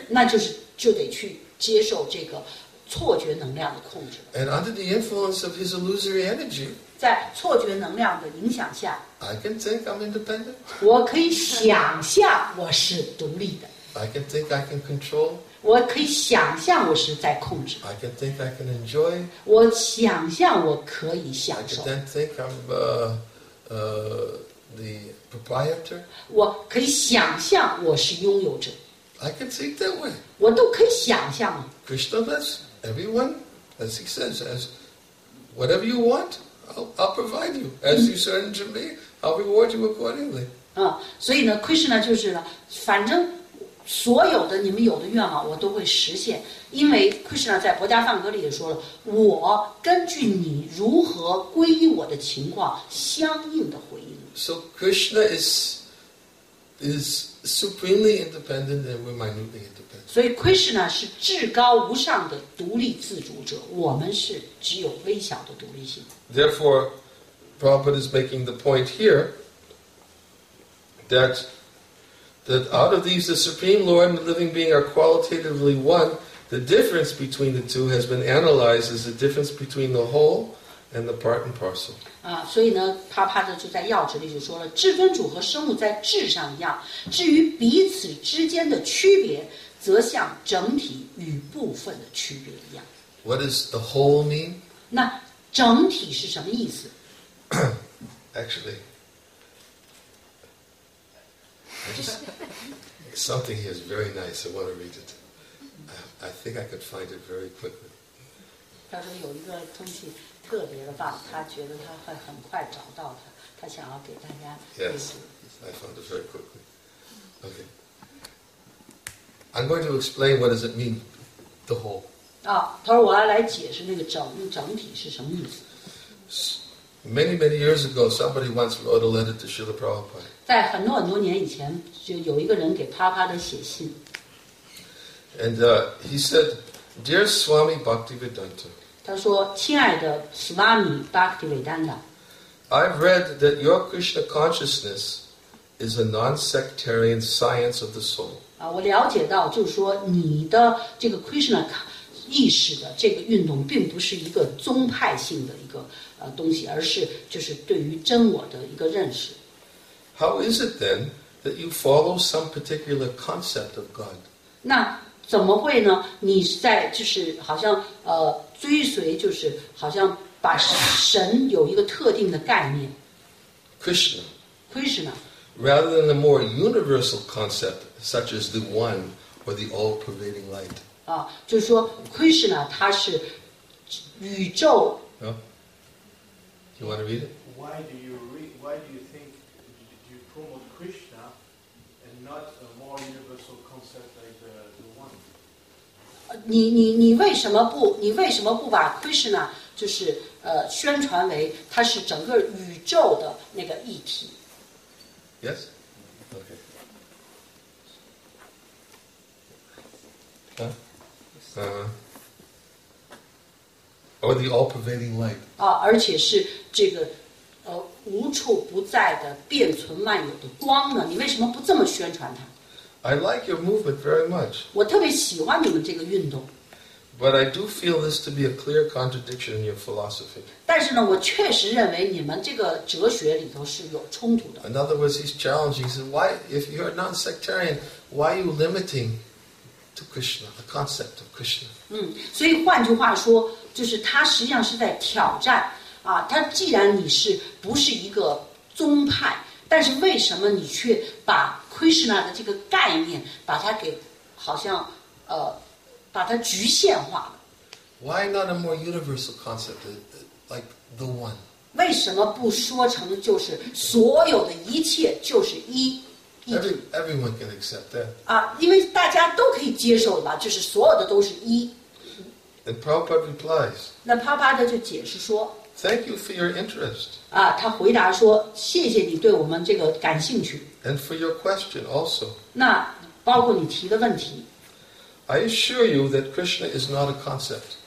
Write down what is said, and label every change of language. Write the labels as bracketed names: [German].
[Chinese] 那就是就得去接受这个错觉能量的控制。 [English] And under the influence of his illusory energy. [Chinese] 在错觉能量的影响下。 [English] I can think I'm independent. [Chinese] 我可以想象我是独立的。 [English] I can think I can control. [Chinese] 我可以想象我是在控制。 [English] I can think I can enjoy. [Chinese] 我想象我可以享受。 [English] I can think I'm the proprietor. [Chinese] 我可以想象我是拥有者。 [English] I can think that way. [Chinese] 我都可以想象。 [English] Krishna lets everyone, as he says, as whatever you want. I'll provide you as you send to me. I'll reward you accordingly. [Chinese] 嗯，所以呢 ，Krishna 就是呢，反正所有的你们有的愿望我都会实现，因为 Krishna 在《薄伽梵歌》里也说了，我根据你如何皈依我的情况相应的回应。 [English] So Krishna is supremely independent and we're minutely independent. [Chinese] 所以 Krishna 是至高无上的独立自主者，我们是只有微小的独立性。 [English] Therefore, Prabhupada is making the point here that out of these, the Supreme Lord and the Living Being are qualitatively one. The difference between the two has been analyzed as the difference between the whole and the part and parcel. [Chinese] 啊，所以呢，帕帕特就在要旨里就说了，至尊主和生物在质上一样，至于彼此之间的区别，则像整体与部分的区别一样。 [English] What does the whole mean? [Chinese] 那整体是什么意思 [English] ？Actually, something here is very nice. I want to read it. I think I could find it very quickly. [Chinese] 他说有一个东西特别的棒，他觉得他会很快找到它，他想要给大家。 [English] Yes, I found it very quickly. Okay, I'm going to explain what does it mean, the whole. [Chinese] 啊，他说我要来解释那个整体是什么意思。 [English] Many many years ago, somebody once wrote a letter to Srila Prabhupada. [Chinese] 在很多年以前，就有一个人给帕帕的写信。 [English] And he said, "Dear Swami Bhaktivedanta." [Chinese] 他说，亲爱的 Swami Bhaktivedanta. [English] I've read that your Krishna consciousness is a non-sectarian science of the soul. [Chinese] 啊，我了解到，就是说你的这个 Krishna。意识的这个运动并不是一个宗派性的一个东西，而是就是对于真我的一个认识。 [English] How is it then that you follow some particular concept of God? [Chinese] 那怎么会呢？你在就是好像追随，就是好像把神有一个特定的概念。 [English] Krishna. Rather than a more universal concept such as the One or the All Pervading Light. [Chinese] 啊，就是说 ，Krishna 他是宇宙。 [English] No. You want to read it? Why do you think you promote Krishna and not a more universal concept like the one? [Chinese] 你为什么不把 Krishna 就是宣传为他是整个宇宙的那个一体 [English] ？Yes. Okay. Or the all-pervading light. [Chinese] 啊，而且是这个无处不在的遍存万有的光呢？你为什么不这么宣传它 [English] ？I like your movement very much. [Chinese] 我特别喜欢你们这个运动。 [English] But I do feel this to be a clear contradiction in your philosophy. [Chinese] 但是呢，我确实认为你们这个哲学里头是有冲突的。 [English] In other words, he's challenging. He says, "Why, if you are non-sectarian, why are you limiting?" To Krishna, the concept of Krishna. [Chinese] 嗯，所以换句话说，就是他实际上是在挑战啊。他既然你是不是一个宗派，但是为什么你却把 Krishna 的这个概念把它给好像把它局限化了？ [English] Why not a more universal concept like the one? [Chinese] 为什么不说成就是所有的一切就是一？ [English] Everyone can accept that. [Chinese] 啊，因为大家都可以接受了，就是所有的都是一。 [English] And Prabhupada replies. [Chinese] 那帕帕的就解释说。 [English] Thank you for your interest. [Chinese] 啊，他回答说：“谢谢你对我们这个感兴趣。” [English] And for your question also. [Chinese] 那包括你提的问题。 [English] I assure you that Krishna is not a concept.